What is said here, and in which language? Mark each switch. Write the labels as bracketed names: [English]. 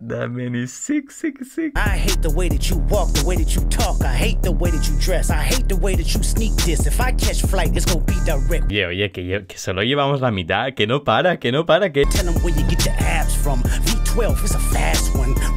[English] That man is sick, sick, sick. I hate the way that you walk, the way that you talk. I hate the way that you dress. I hate the way that you sneak this. If I catch flight, it's gonna be direct. [Spanish] Oye, que solo llevamos la mitad. Que no para, que no para, que... [English] Tell them where you get your abs from. V12 is a fast one.